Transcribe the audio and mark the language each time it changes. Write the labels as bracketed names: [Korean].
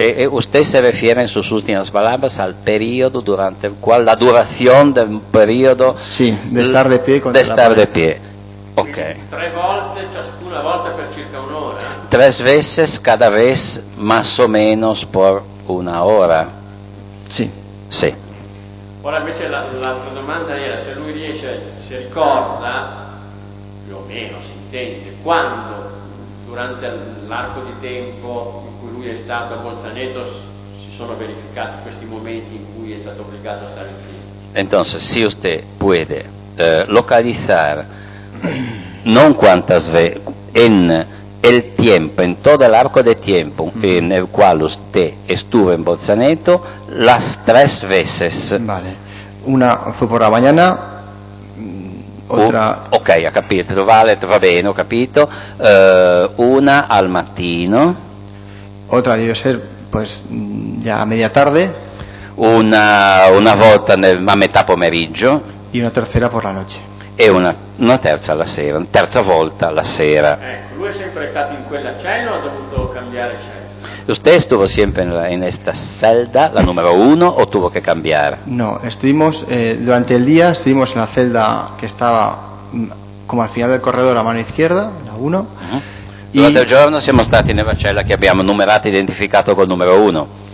[Spanish] Usted se refiere en sus últimas palabras al periodo durante el cual, la duración del periodo. Sí, de estar de pie. De estar de pie. Ok. [Italian] Tre volte, ciascuna volta per circa un'ora. [Spanish] Tres veces cada vez, más o menos por una hora. [Italian] Sì. Sì. Ora invece l'altra domanda era se lui riesce, si ricorda, più o meno si intende, quando, durante l'arco di tempo in cui lui è stato a Bolzaneto, si sono verificati questi momenti in cui è stato obbligato a stare in piedi. [Spanish] Entonces, si usted puede [Italian] localizzare. [Spanish] Non quantas ve en el tiempo, en todo el arco de tiempo en el cual usted estuvo en Bolzaneto, las tres veces. Vale. Una fue por la mañana, otra. [Italian] Ok, ha capito, vale, va bene, ho capito. Una al mattino. [Spanish] Otra debe ser, pues, ya a media tarde. [Italian] Una volta a metà pomeriggio. [Spanish] Y una tercera por la noche. [Italian] E una terza alla sera, una terza volta alla sera. Ecco, lui è sempre stato in quella cella o ha dovuto cambiare cella? [Spanish] Usted estuvo [Italian] sempre in questa [Spanish] celda, la numero uno, o tuvo [Italian] che cambiare? [Spanish] No, estuvimos durante il día, estuvimos en la celda [Italian] che stava [Spanish] come al final del corredor a mano izquierda, la uno. Uh-huh. [Italian] Durante il giorno siamo stati nella cella che abbiamo numerato e identificato col numero uno.